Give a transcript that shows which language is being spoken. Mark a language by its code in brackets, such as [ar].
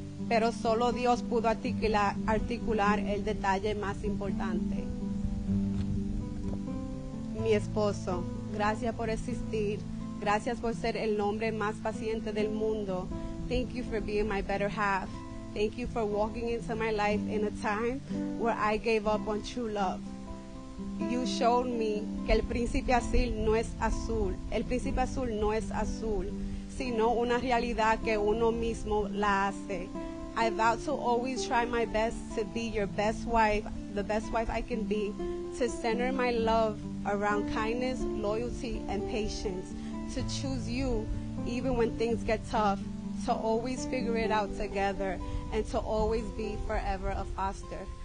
[es] Pero solo Dios pudo articular el detalle más importante. Mi esposo, gracias por existir. Gracias por ser el hombre más paciente del mundo. [en] Thank you for being my better half. Thank you for walking into my life in a time where I gave up on true love. You showed me [es] que el príncipe azul no es azul. El príncipe azul no es azul, sino una realidad que uno mismo la hace. [en] I vow to always try my best to be your best wife, the best wife I can be, to center my love around kindness, loyalty, and patience, to choose you even when things get tough, to always figure it out together, and to always be forever a foster.